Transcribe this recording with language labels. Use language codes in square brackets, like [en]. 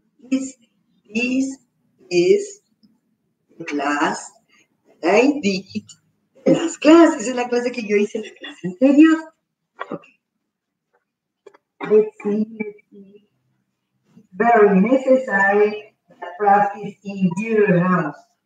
[en] This is class that I did last class. [es] Esa es la clase que yo hice la clase anterior. [en] Okay. It's very necessary to practice in your house.